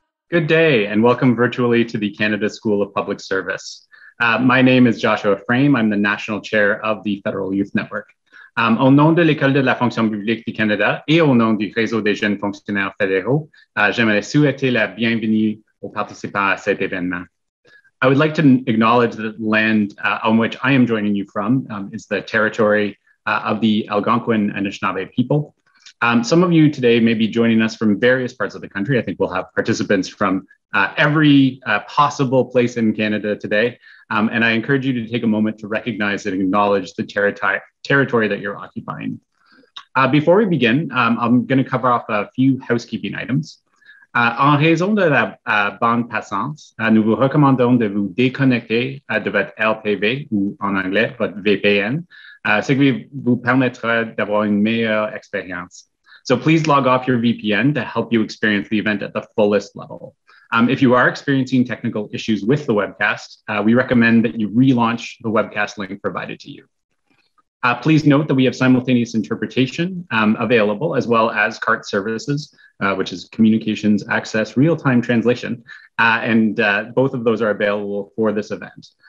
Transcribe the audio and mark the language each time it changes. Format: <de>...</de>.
<en>Good day and welcome virtually to the Canada School of Public Service. My name is Joshua Frame. I'm the National Chair of the Federal Youth Network.</en> <fr>Au nom de l'École de la fonction publique du Canada et au nom du réseau des jeunes fonctionnaires fédéraux, j'aimerais souhaiter la bienvenue aux participants à cet événement.</fr> <en>I would like to acknowledge the land on which I am joining you from is the territory of the Algonquin Anishinaabe people. Some of you today may be joining us from various parts of the country. I think we'll have participants from every possible place in Canada today. And I encourage you to take a moment to recognize and acknowledge the territory that you're occupying. Before we begin, I'm going to cover off a few housekeeping items.</en> <fr>En raison de la bande passante, nous vous recommandons de vous déconnecter de votre LPV, ou en anglais, votre VPN, ce qui vous permettra d'avoir une meilleure expérience.</fr> <en>So please log off your VPN to help you experience the event at the fullest level. If you are experiencing technical issues with the webcast, we recommend that you relaunch the webcast link provided to you. Please note that we have simultaneous interpretation available, as well as CART services, which is communications access, real-time translation, and both of those are available for this event.</en>